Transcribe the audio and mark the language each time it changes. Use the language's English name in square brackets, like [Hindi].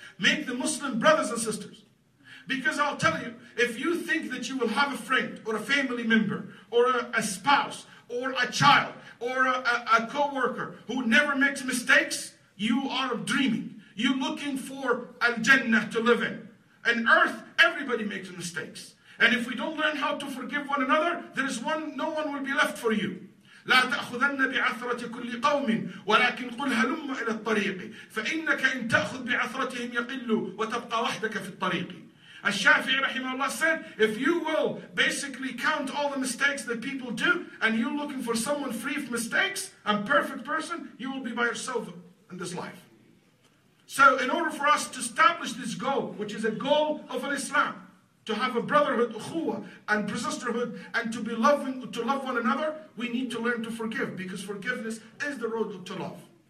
[English] Make the Muslim brothers and sisters. Because I'll tell you, if you think that you will have a friend or a family member or a spouse or a child or a co-worker who never makes mistakes, you are dreaming. You're looking for al-jannah to live in. On earth, everybody makes mistakes. And if we don't learn how to forgive one another, there is one, no one will be left for you. [Arabic] لا تأخذن بعثرة كل قوم ولكن قل هلم إلى الطريق فإنك إن تأخذ بعثرتهم يقل وتبقى وحدك في الطريق. [English] Al-Shafi'i rahimahullah said, if you will basically count all the mistakes that people do and you're looking for someone free of mistakes and perfect person, you will be by yourself in this life. So in order for us to establish this goal, which is a goal of Islam, to have a brotherhood, ukhuwah, and sisterhood, and to be loving, to love one another, we need to learn to forgive, because forgiveness is the road to love.